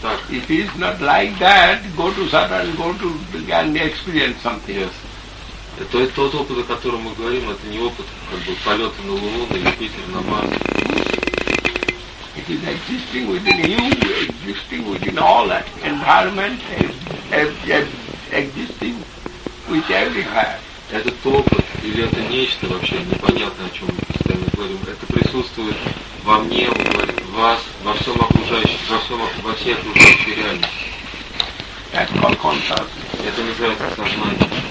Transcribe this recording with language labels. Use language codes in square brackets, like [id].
[en] It is not like that, go to Saturn, go to and experience something. Yes. [ru] Это тот опыт, о котором мы говорим, это не опыт как бы полета на Луну, на Юпитер, на Марс. [en] It is existing within you, existing within all that environment, existing with everywhere. [ru] Этот опыт или это нечто вообще непонятное, о чем мы постоянно говорим, это присутствует во мне, в вас, во всей окружающей реальности. [en] That's called consciousness. [ru] Это называется сознание.